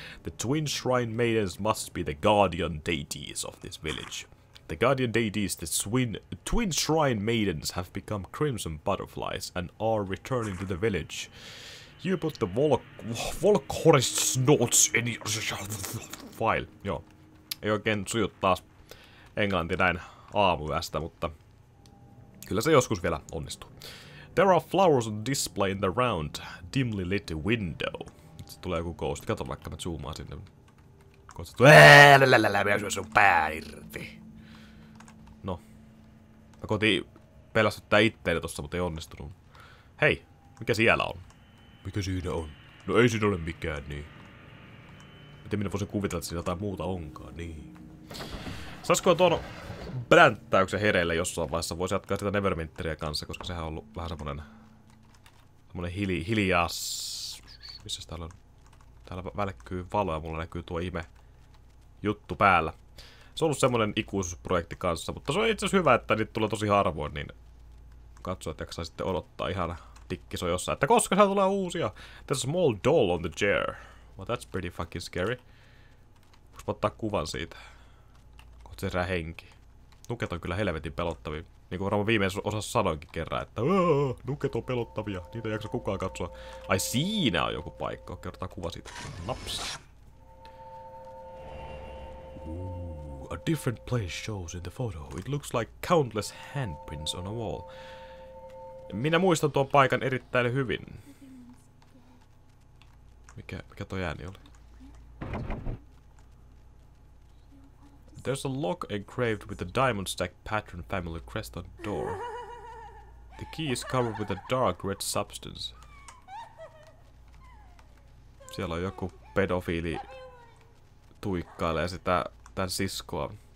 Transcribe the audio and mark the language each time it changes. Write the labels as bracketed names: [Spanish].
[English] The twin shrine maidens must be the guardian deities of this village. The guardian deities, the twin shrine maidens, have become crimson butterflies and are returning to the village. You put the Volkhorst notes in your file. [Finnish] Joo. Ei oikein suju taas englanti näin aamuyöstä, mutta kyllä se joskus vielä onnistuu. [English] There are flowers on display in the round, dimly lit window. [Finnish] Sitten tulee joku ghost. Kato vaikka mä zoomaan sinne. Kohta tulee. Mä syö sun pää irti. No. Mä koitin pelastuttaa itteeni tossa, mutta ei onnistunut. Hei, mikä siellä on? Mikä siinä on? No ei siinä ole mikään, niin. Miten minä voisin kuvitella, että siinä jotain muuta onkaan, niin. Saisko tuon bränttäyksen hereille jossain vaiheessa? Voisi jatkaa sitä Neverwinteria kanssa, koska sehän on ollut vähän semmonen... Semmonen hiljas... Missäs täällä on? Täällä välkkyy valo ja mulla näkyy tuo ihme juttu päällä. Se on ollut semmonen ikuisuusprojekti kanssa, mutta se on itse hyvä, että niitä tulee tosi harvoin, niin... Katso, että jaksaa sitten odottaa ihan... Tikki on jossain, että koska sieltä tulee uusia. [English] There's a small doll on the chair. Well, that's pretty fucking scary. [Finnish] Voisi ottaa kuvan siitä. Kohta se herää henki. Nuket on kyllä helvetin pelottavia. Niin kuin varmaan viimeisessä osassa sanoinkin kerran, että nuket on pelottavia. Niitä ei jaksa kukaan katsoa. Ai siinä on joku paikka. Okei, otetaan kuva siitä. Naps. [English] A different place shows in the photo. It looks like countless handprints on a wall. [Finnish] Minä muistan tuon paikan erittäin hyvin. Mikä toi ääni oli? [English] There's a lock engraved with a diamond stack pattern family crest on door. The key is covered with a dark red substance. [Finnish] Siellä on joku pedofiili tuikkailee sitä tän siskoa.